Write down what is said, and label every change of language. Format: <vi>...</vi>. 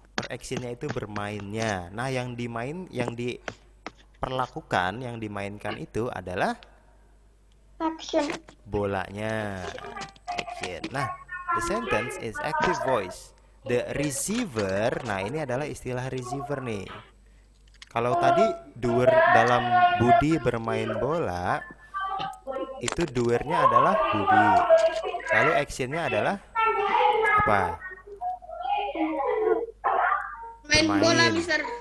<id>Actionnya itu bermainnya. Nah, yang dimainkan itu adalah</id> <en>action.</en> <id>Bolanya.</id> <en>Action. Nah, the sentence is active voice.</en> <id>The receiver, nah ini adalah istilah receiver nih. Kalau tadi doer dalam Budi bermain bola, itu doernya adalah Budi. Lalu actionnya adalah apa? Main bola, Mister.</id>